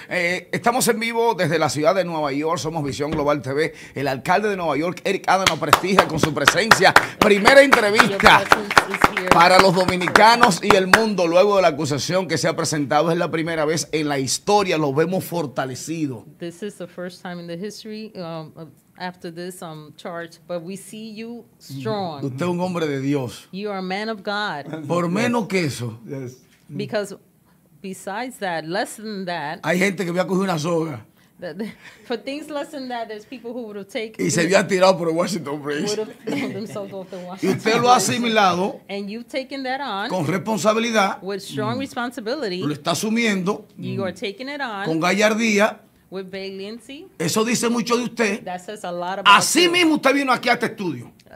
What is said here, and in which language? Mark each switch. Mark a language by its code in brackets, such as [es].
[es] Estamos en vivo desde la ciudad de Nueva York. Somos Visión Global TV. El alcalde de Nueva York, Eric Adams, nos prestigia con su presencia. Primera entrevista para los dominicanos y el mundo luego de la acusación que se ha presentado. Es la primera vez en la historia. Lo vemos fortalecido. [en] This is the first time in the history after this charge, but we see you strong. [es] Usted es un hombre de Dios. [en] You are a man of God. [es] Por menos que eso. [en] Yes. Because... besides that, less than that, [es] hay gente que me ha cogido una soga. [en] For things less than that, there's people who would have taken. [es] Y se había tirado por el Washington Bridge. [en] Would have thrown themselves off the Washington [es] y usted lo ha asimilado. [en] And you've taken that on. [es] Con responsabilidad. [en] With strong responsibility. [es] Lo está asumiendo. [en] You are taking it on. [es] Con gallardía. [en] With valiancy. [es] Eso dice mucho de usted. [en] That says a lot about. [es] Así mismo usted vino aquí a este estudio.